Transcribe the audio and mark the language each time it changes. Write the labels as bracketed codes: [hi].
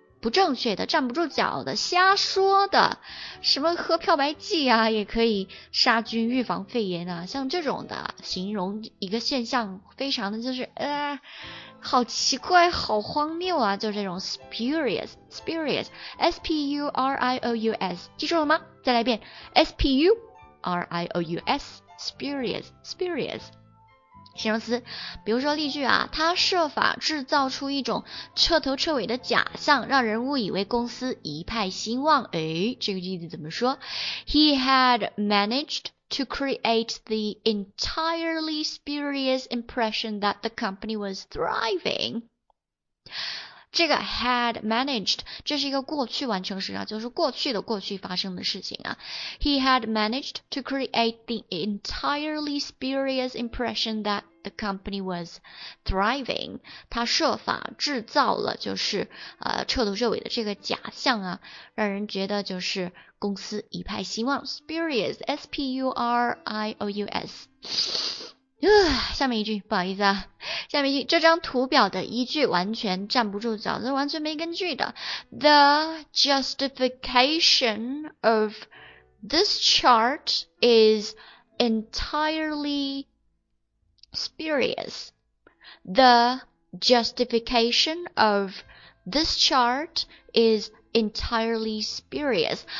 [zh] 不正确的、站不住脚的、瞎说的，什么喝漂白剂啊，也可以杀菌预防肺炎啊，像这种的形容一个现象，非常的就是好奇怪、好荒谬啊，就是这种 spurious, spurious, s p u r i o u s, 记住了吗？再来一遍 s p u r i o u s, spurious, spurious。形容词，比如说例句啊，他设法制造出一种彻头彻尾的假象，让人误以为公司一派兴旺。诶，这个句子怎么说？ [en] He had managed to create the entirely spurious impression that the company was thriving. [zh] 这个 [en] had managed, [zh] 这是一个过去完成时啊，就是过去的过去发生的事情啊。 [en] He had managed to create the entirely spurious impression that the company was thriving. [zh] 他设法制造了就是彻头彻尾的这个假象啊，让人觉得就是公司一派兴旺。 [en] Spurious, S-P-U-R-I-O-U-S。 [zh] 下面一句，不好意思啊，下面一句，这张图表的依据完全站不住脚，这完全没根据的。 [en] The justification of this chart is entirely spurious. The justification of this chart is entirely spurious.